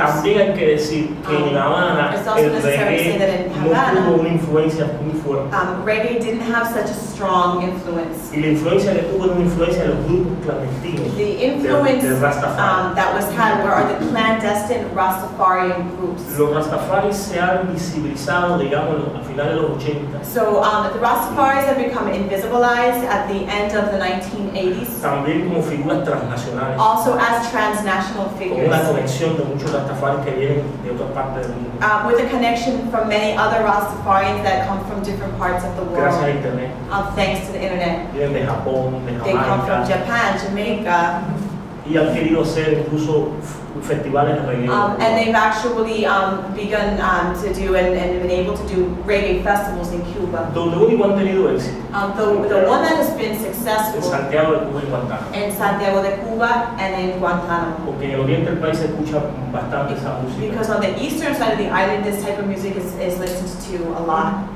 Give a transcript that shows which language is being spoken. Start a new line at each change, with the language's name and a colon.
Spanish: También hay que decir que en La Habana,
English: it's also necessary to say that in Havana, reggae didn't have such a strong influence.
Spanish: Y la influencia que tuvo una influencia de los grupos clandestinos.
English: The influence that was had were the clandestine Rastafarian groups.
Spanish: Los Rastafaris se han visibilizado, digamos, a finales de los 80.
English: So the Rastafaris have become invisibilized at the end of the 1980s.
Spanish: También como figuras transnacionales.
English: Also as transnational figures.
Spanish: Con una conexión de muchos Rastafaris que vienen de otras partes del mundo.
English: With a connection from many other Rastafarians that come from different parts of the world.
Spanish: Gracias a internet.
English: Thanks to the internet.
Spanish: Vienen de Japón, de
English: Jamaica. They come from Japan, Jamaica.
Spanish: Y han querido hacer incluso festivales de reggae.
English: And they've actually begun to do and been able to do reggae festivals in Cuba.
Spanish: Donde único han tenido éxito.
English: The one that has been successful.
Spanish: En Santiago de Cuba y Guantánamo.
English: En Santiago de Cuba and in Guantánamo.
Spanish: Porque en el oriente del país se escucha bastante esa música.
English: Because on the eastern side of the island, this type of music is listened to a lot.